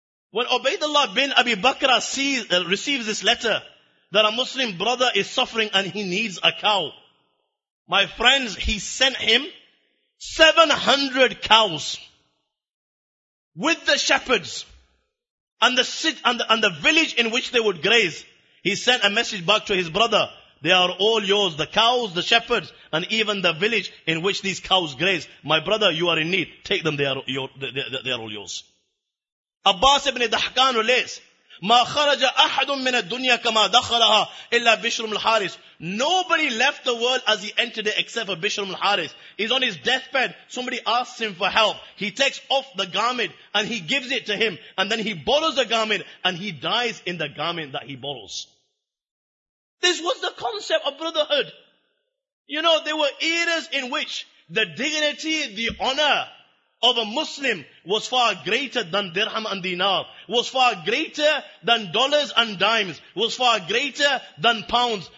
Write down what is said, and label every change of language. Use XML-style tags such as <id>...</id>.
<en>When Ubaidullah bin Abi Bakr receives this letter that a Muslim brother is suffering and he needs a cow, my friends, he sent him 700 cows with the shepherds and the village in which they would graze. He sent a message back to his brother. They are all yours, the cows, the shepherds, and even the village in which these cows graze. My brother, you are in need. Take them, they are all yours.</en> <ar>Abbas ibn Dahkan relates, ما خرج أحد من الدنيا كما دخلها إلا بشرم الحارس.</ar> <en>Nobody left the world as he entered it except for Bishr al-Haris. He's on his deathbed. Somebody asks him for help. He takes off the garment and he gives it to him. And then he borrows the garment and he dies in the garment that he borrows. This was the concept of brotherhood. You know, there were eras in which the dignity, the honor of a Muslim was far greater than dirham and dinar, was far greater than dollars and dimes, was far greater than pounds.</en>